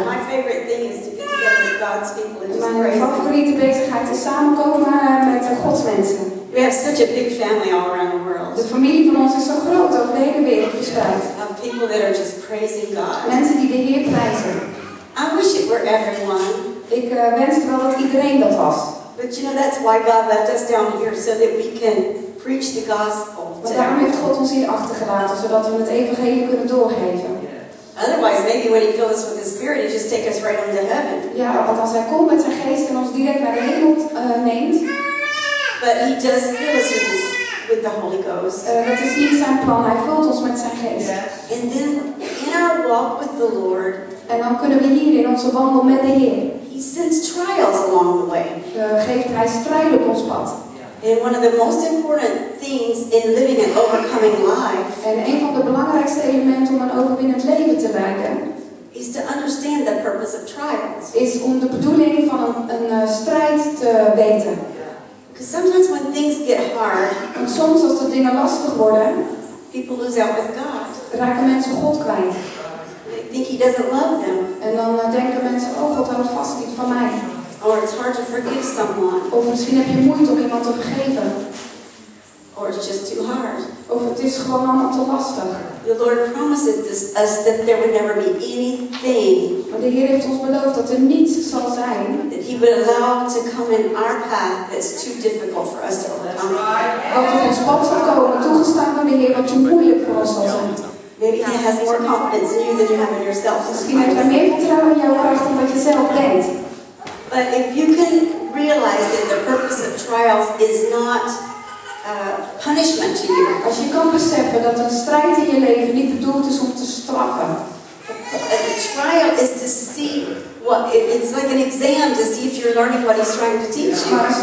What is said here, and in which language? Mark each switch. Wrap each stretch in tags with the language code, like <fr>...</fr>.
<en>My favorite thing is to get together with God's people and just</en> <nl>mijn favoriete bezigheid is samenkomen met Gods mensen.</nl> <en>We have such a big family all around the world.</en> <nl>De familie van ons is zo groot over de hele wereld verspreid.</nl> <en>Of people that are just praising God.</en> <nl>Mensen die de Heer prijzen.</nl> <en>I wish it were everyone.</en> <nl>Ik wens wel dat iedereen dat was.</nl> <en>But you know that's why God left us down here so that we can preach the gospel.</en> <nl>Maar daarom heeft God ons hier achtergelaten zodat we het evangelie kunnen doorgeven.</nl> <en>Otherwise, maybe when He fills us with His Spirit, He just take us right into heaven.</en> <nl>Ja, want als Hij komt met zijn geest en ons direct naar de hemel neemt.</nl> <en>But He does fill us with the Holy Ghost.</en> <nl>Dat is niet zijn plan. Hij vult ons met zijn geest.</nl> <en>Yes. And then in our walk with the Lord.</en> <nl>En dan kunnen we hier in onze wandel met de Heer.</nl> <en>He sends trials along the way.</en> <nl>Geeft Hij strijd op ons pad.</nl> <en>And one of the most important things in living an overcoming life.</en> <nl>En een van de belangrijkste elementen om een overwinnend leven te leiden.</nl> <en>Is to understand the purpose of trials.</en> <nl>Is om de bedoeling van een strijd te weten.</nl> <en>Because sometimes when things get hard.</en> <nl>En soms als de dingen lastig worden.</nl> <en>People lose out with God.</en> <nl>Raken mensen God kwijt.</nl> <en>They think He doesn't love them.</en> <nl>En dan denken mensen, oh God houdt vast niet van mij.</nl> <en>Or it's hard to forgive someone.</en> <nl>Of misschien heb je moeite om iemand te vergeven.</nl> <en>Or it's just too hard.</en> <nl>Of het is gewoon allemaal te lastig.</nl> <en>The Lord promised us that there would never be anything.</en> <nl>Maar de Heer heeft ons beloofd dat er niets zal zijn.</nl> <en>That He would allow to come in our path that's too difficult for us to overcome.</en> <nl>Dat op ons pad zal komen, toegestaan door de Heer, wat te moeilijk voor ons zal zijn.</nl> <en>May Maybe he has more confidence in you than you have in yourself.</en> <nl>Misschien heeft hij meer vertrouwen in jouw kracht dan wat je zelf denkt.</nl> <en>But if you can realize that the purpose of trials is not punishment to you.</en> <nl>Als je kan beseffen dat een strijd in je leven niet bedoeld is om te straffen.</nl> <en>A trial is to see what it's like an exam to see if you're learning what he's trying to teach you.</en>